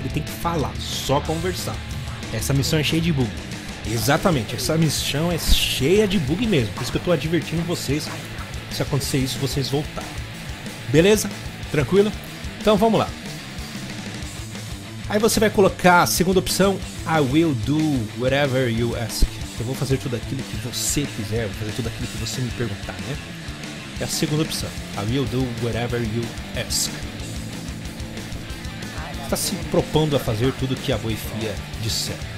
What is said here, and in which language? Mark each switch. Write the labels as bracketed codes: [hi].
[pt] Ele tem que falar, só conversar. Essa missão é cheia de bug. Exatamente, essa missão é cheia de bug mesmo. Por isso que eu tô advertindo vocês. Se acontecer isso, vocês voltarem. Beleza? Tranquilo? Então vamos lá. Aí você vai colocar a segunda opção. [en] I will do whatever you ask. [pt] Eu vou fazer tudo aquilo que você quiser. Vou fazer tudo aquilo que você me perguntar, né? É a segunda opção. [en] I will do whatever you ask. [pt] Está se propondo a fazer tudo que a Boifia disser.